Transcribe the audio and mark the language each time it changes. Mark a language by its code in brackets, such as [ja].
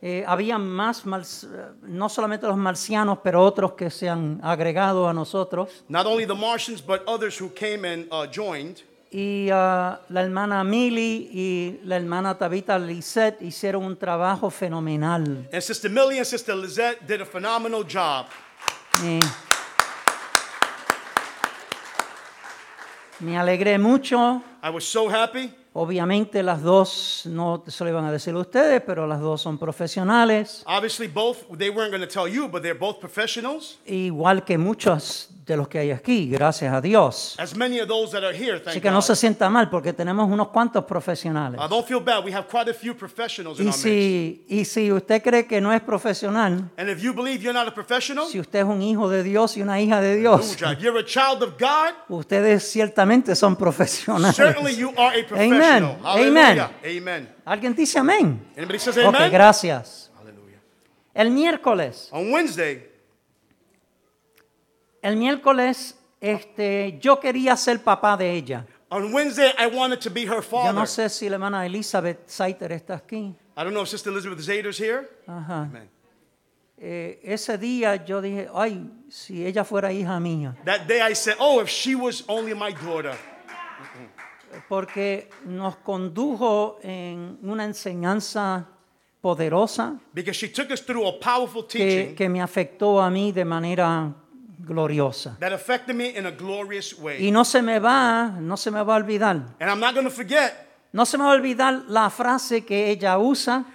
[es] Había más, no solamente los marcianos, pero otros que se han agregado a nosotros. [en] Not only the Martians, but others who came and joined. [es] Y la hermana Milly y la hermana Tabitha Lizette hicieron un trabajo fenomenal. [en] And Sister Milly and Sister Lizette did a phenomenal job. [es] Me alegré mucho. [en] I was so happy. [es] Obviamente las dos no se lo iban a decir a ustedes, pero las dos son profesionales. [en] Obviously both, they weren't going to tell you, but they're both professionals. [es] Igual que muchos de los que hay aquí, gracias a Dios. [en] As many of those that are here, thank [es] Así que no [en] God. [es] Se sienta mal, porque tenemos unos cuantos profesionales. [en] I don't feel bad, we have quite a few professionals [es] y [en] in [es] si, [en] our midst. [es] Y si usted cree que no es profesional, [en] and if you believe you're not a professional, [es] si usted es un hijo de Dios y una hija de Dios, [en] if you're a child of God, [es] ustedes ciertamente son profesionales. [en] Certainly you are a professional. Amen. Amen. Amen. [es] ¿Alguien dice amén? [en] Anybody says amen? [es] Okay, gracias. Hallelujah. El miércoles. [en] On Wednesday. [es] El miércoles, yo quería ser papá de ella. [en] On Wednesday, I wanted to be her father. [es] Yo no sé si la hermana Elizabeth Zaiter está aquí. [en] I don't know if Sister Elizabeth Zaiter is here. Ajá. Amen. [es] Ese día yo dije, ay, si ella fuera hija mía. [en] That day I said, oh, if she was only my daughter. [es] Porque nos condujo en una enseñanza poderosa. [en] Because she took us through a powerful teaching. [es] Que me afectó a mí de manera gloriosa. [en] That affected me in a glorious way. [es] Y no se me va a olvidar. [en] And I'm not going to forget. [es] No se me va a olvidar la frase que ella usa.